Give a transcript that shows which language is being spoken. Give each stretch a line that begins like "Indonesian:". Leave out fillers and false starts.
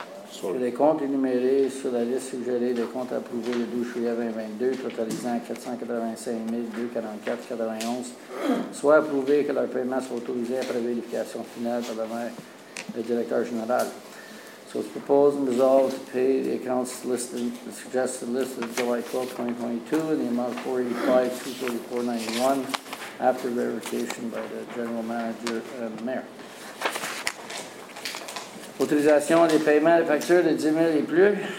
French: Sur les comptes énumérés sur la liste suggérée des comptes approuvés le 12 juillet 2022, totalisant 485 244,91, soit approuvé que leur paiement soit autorisé après vérification finale par le directeur général.
English: So it's proposed and resolved to pay the accounts listed, the suggested list of July 12, 2022, in the amount of $485,244.91 after verification by the general manager and mayor.
French: Autorisation des paiements des factures de 10 000 et plus.